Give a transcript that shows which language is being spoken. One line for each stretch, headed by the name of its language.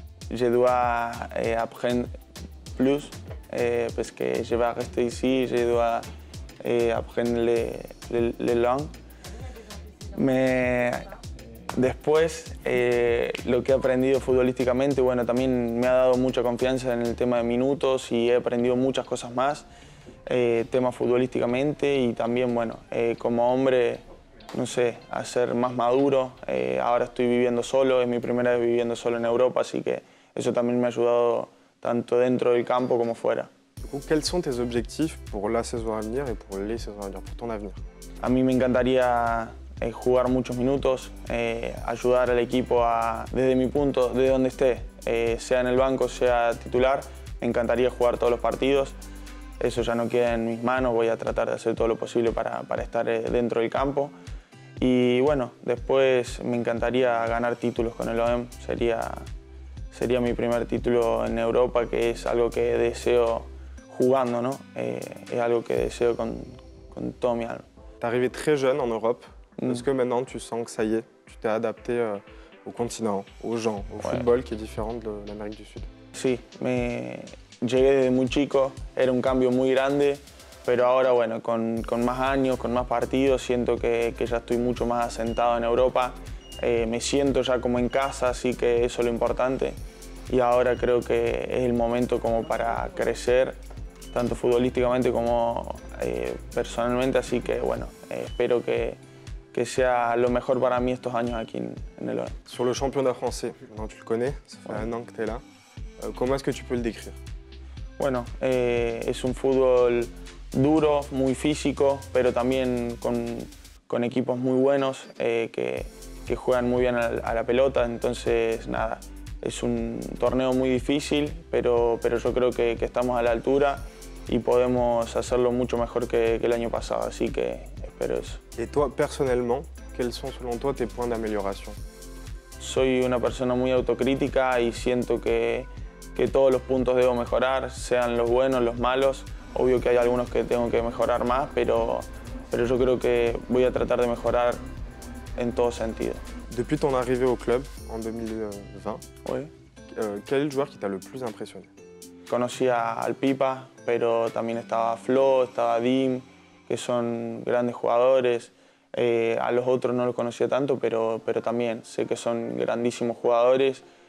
French: Je dois apprendre plus parce que je vais rester ici. Je dois apprendre les langues.
Spanish: Mais después, lo que he aprendido futbolísticamente, bueno, también me ha dado mucha confianza en el tema de minutos y he aprendido muchas cosas más, tema futbolísticamente y también, bueno, como hombre. No sé, a ser más maduro. Ahora estoy viviendo solo, es mi primera vez viviendo solo en Europa, así que eso también me ha ayudado tanto dentro del campo como fuera. ¿Cuáles son tus objetivos para la
French: saison à venir
Spanish: y para las
French: saisons à venir,
Spanish: para tu avenir? A mí me encantaría jugar muchos minutos, ayudar al equipo a, desde mi punto, desde donde esté, sea en el banco, sea titular, me encantaría jugar todos los partidos. Eso ya no queda en mis manos, voy a tratar de hacer todo lo posible para estar dentro del campo. Y bueno, después me encantaría ganar títulos con el OM. Sería mi primer título en Europa, que es algo que deseo jugando, ¿no? Es algo que deseo con todo mi alma.
French: T'es arrivé très jeune en Europe, Parce que maintenant, tu sens que ça y est, tu t'es adapté au continent, aux gens, au football qui est différent de l'Amérique du Sud.
Spanish: Sí, me llegué desde muy chico, era un cambio muy grande, pero ahora bueno, con más años, con más partidos, siento que ya estoy mucho más asentado en Europa, me siento ya como en casa, así que eso es lo importante. Y ahora creo que es el momento como para crecer, tanto futbolísticamente como personalmente, así que bueno, espero que sea lo mejor para mí estos años aquí en el OEM.
French: Sur le championnat français, maintenant tu le connais, ça fait un an que tu es là. Comment est-ce que tu peux le décrire?
Spanish: Bueno, es un fútbol duro, muy físico, pero también con equipos muy buenos que juegan muy bien a la pelota. Entonces, nada, es un torneo muy difícil, pero yo creo que estamos a la altura y podemos hacerlo mucho mejor que el año pasado. Así que espero eso. Y tú, personalmente, ¿cuáles son, según tú, tus puntos de mejoración? Soy una persona muy autocrítica y siento que todos los puntos debo mejorar, sean los buenos, los malos. Obvio que hay algunos que tengo que mejorar más, pero yo creo que voy a tratar de mejorar en todo sentido.
French: Depuis ton arrivée au club en 2020, quel est le joueur qui t'a le plus impressionné?
Spanish: Conocí al Pipa, pero también estaba Flo, estaba Dim, que son grandes jugadores. A los otros no los conocía tanto, pero también sé que son grandísimos jugadores.